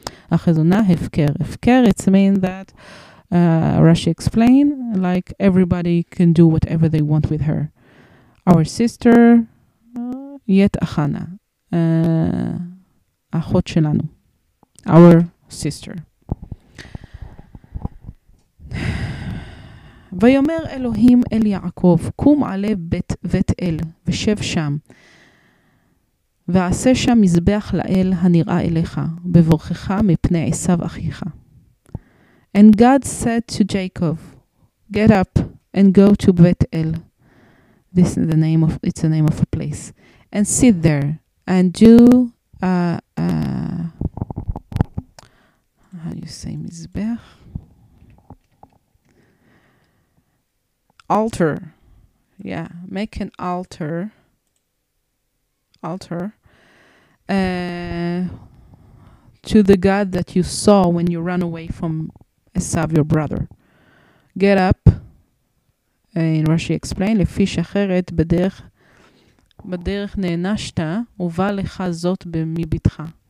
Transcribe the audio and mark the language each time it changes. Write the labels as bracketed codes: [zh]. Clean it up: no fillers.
[he] החזונה הפקר. הפקר, [en] it's mean that, Rashi explain, like everybody can do whatever they want with her. Our sister, [he] yet Achana, אחות שלנו, [en] our sister. [he] ויאמר אלוהים אל יעקב, קום עלי בית בית אל, ושב שם, ועשה שם מזבח לאל הנראה אליך, בבורכך מפני עשיו אחיך. [en] And God said to Jacob, get up and go to Bet El. This is the name of, it's the name of a place. And sit there and do, how do you say מזבח? Altar. Yeah, make an altar. Altar. To the God that you saw when you ran away from Esav, your brother. Get up, in Rashi explain, [he] לפי שחרת בדרך נענשת, ובא לך זאת במביתך.